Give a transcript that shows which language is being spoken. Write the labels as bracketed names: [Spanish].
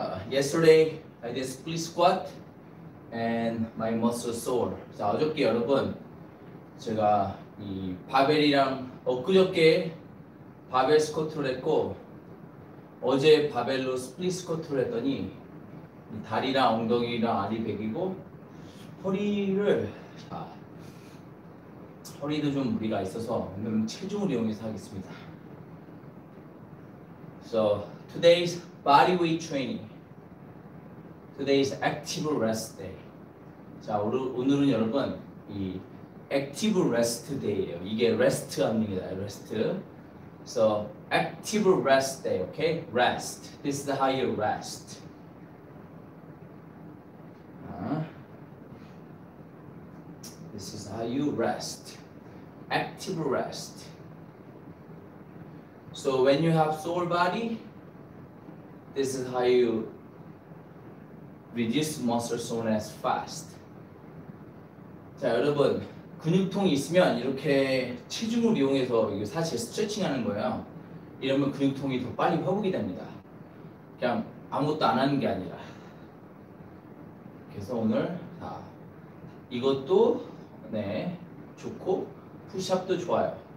[English] Yesterday I did split squat and my muscle sore. [Korean] 자, 어저께 여러분 제가 이 바벨이랑 엊그저께 바벨 스쿼트를 했고 어제 바벨로 split squat를 했더니 이 다리랑 엉덩이랑 알이 베기고 허리를 허리도 좀 무리가 있어서 오늘은 체중을 이용해서 하겠습니다. [English] So today's body weight training, today's active rest day. [Korean] 자, 오늘은 여러분 이 active rest day예요. 이게 rest입니다. [English] Rest. So active rest day, okay? Rest. This is how you rest. 아, this is how you rest. Active rest. So when you have sore body, this is how you reduce muscle soreness fast. [Korean] 자, 여러분 근육통이 있으면 이렇게 체중을 이용해서 이거 사실 스트레칭하는 거예요. 이러면 근육통이 더 빨리 회복이 됩니다. 그냥 아무것도 안 하는 게 아니라. 그래서 오늘 자, 이것도 네 좋고. 푸시업도 좋아요.